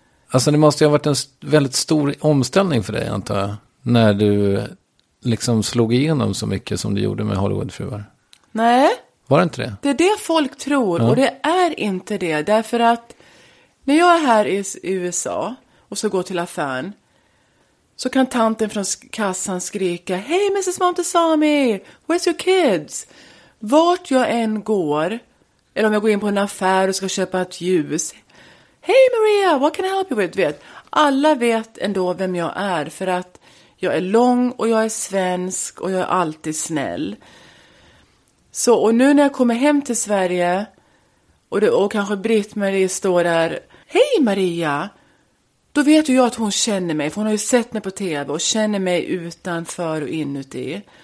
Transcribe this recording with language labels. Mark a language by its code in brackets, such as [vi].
[sv] Alltså det måste ju ha varit en väldigt stor omställning för dig, antar jag, när du liksom slog igenom så mycket som du gjorde med Hollywoodfruar. Nej. Var det inte det? Det är det folk tror, och det är inte det. Därför att när jag är här i USA och så går till affären, så kan tanten från kassan skrika, hej Mrs. [en] Montesami, where's your kids? [sv] Vart jag än går, eller om jag går in på en affär och ska köpa ett ljus, hej Maria, [en] what can I help you with? [sv] Vet, alla vet ändå vem jag är, för att jag är lång och jag är svensk och jag är alltid snäll. Så, och nu när jag kommer hem till Sverige och kanske Britt-Marie står där, hej Maria, då vet ju jag att hon känner mig, för hon har ju sett mig på TV och känner mig utanför och inuti.